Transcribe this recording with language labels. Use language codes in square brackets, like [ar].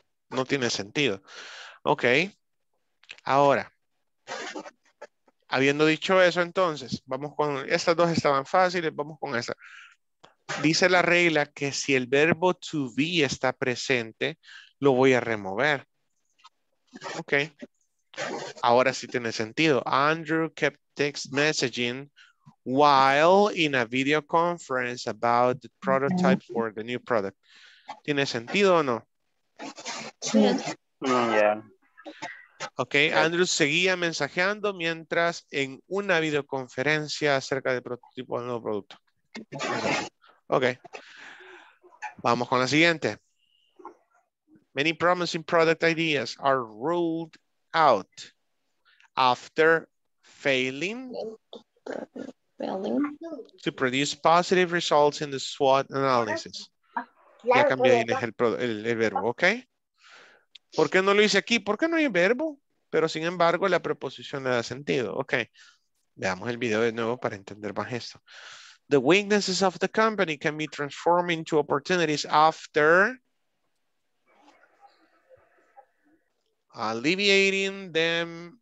[es] No tiene sentido. Ok. Ahora. Habiendo dicho eso, entonces, vamos con, estas dos estaban fáciles, vamos con esta. Dice la regla que si el verbo to be está presente, lo voy a remover. Ok. Ahora sí tiene sentido. [en] Andrew kept text messaging while in a video conference about the prototype for the new product. [es] ¿Tiene sentido o no? Sí. [en] Yeah. [es] Ok, Andrew seguía mensajeando mientras en una videoconferencia acerca del prototipo del nuevo producto. Ok. Vamos con la siguiente. [en] Many promising product ideas are ruled out after failing to produce positive results in the SWOT analysis. [es] Ya cambié ahí el verbo, ¿ok? ¿Por qué no lo hice aquí? ¿Por qué no hay verbo? Pero sin embargo, la preposición le da sentido, ¿ok? Veamos el video de nuevo para entender más esto. [en] The weaknesses of the company can be transformed into opportunities after alleviating them.